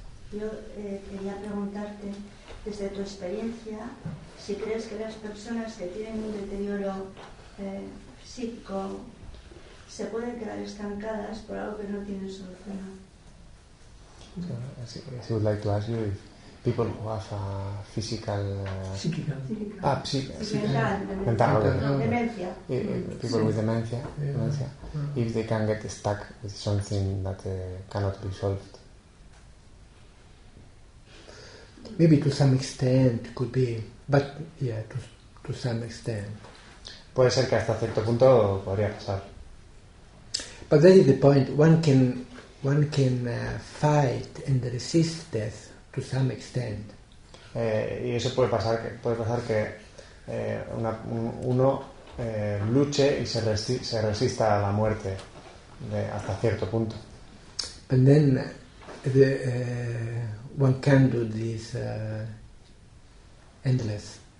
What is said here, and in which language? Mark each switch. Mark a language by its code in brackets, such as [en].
[es] Quería preguntarte, desde tu experiencia, si crees que las personas que tienen un deterioro psíquico se pueden quedar estancadas por algo que no tienen solución. [en] So, I would like to ask you if people who have a physical dementia, if they can get stuck with something that cannot be solved. Maybe to some extent could be, but yeah, to some extent. [es] Puede ser que hasta cierto punto podría pasar. [en] But that is the point. One can fight and resist death to some extent. [es] Y eso puede pasar que uno luche y se resista a la muerte hasta cierto punto. [en] And then one can do this endless.